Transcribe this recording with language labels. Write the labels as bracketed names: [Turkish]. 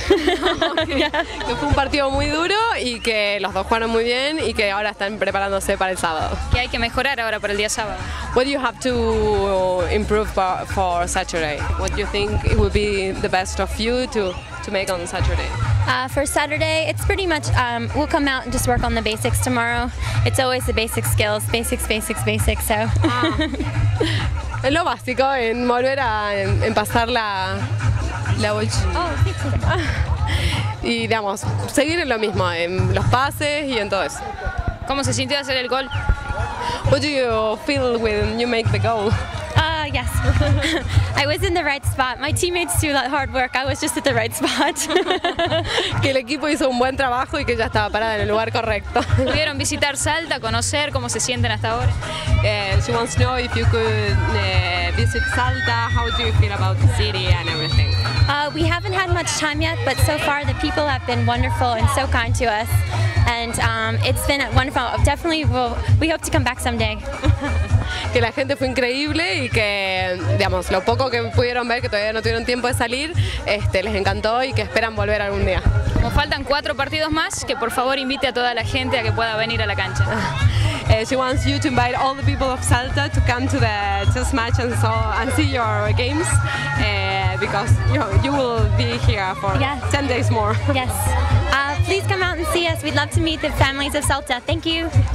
[Spanish] Que fue un partido muy duro y que los dos jugaron muy bien y que ahora están preparándose para el sábado. ¿Qué hay que mejorar ahora para el día sábado? [English] What do you have to improve for Saturday? What do you think it would be the best of you to make on Saturday? For Saturday, it's pretty much we'll come out and just work on the basics tomorrow. It's always the basic skills, basics, basics, basics. So. [Spanish] Es lo básico en volver a en pasar la bolsa. Y digamos, seguir en lo mismo, en los pases y en todo eso. ¿Cómo se sintió hacer el gol? [English] What do you feel when you make the goal? Yes. I was in the right spot. My teammates do that hard work. I was just at the right spot. [Spanish] Que el equipo hizo un buen trabajo y que ya estaba parada en el lugar correcto. ¿Pudieron visitar Salta, conocer cómo se sienten hasta ahora? [English] She wants to know if you could visit Salta. How do you feel about the city and everything? We haven't had much time yet, but so far the people have been wonderful and so kind to us. And it's been wonderful. Definitely, we hope to come back someday. [Spanish] Que la gente fue increíble y que, digamos, lo poco que pudieron ver, que todavía no tuvieron tiempo de salir, les encantó y que esperan volver algún día. Como faltan 4 partidos más, que por favor invite a toda la gente a que pueda venir a la cancha. [English] She wants you to invite all the people of Salta to come to the test match and so and see your games because you will be here for yes. 10 days more. Yes. Please come out and see us. We'd love to meet the families of Salta. Thank you.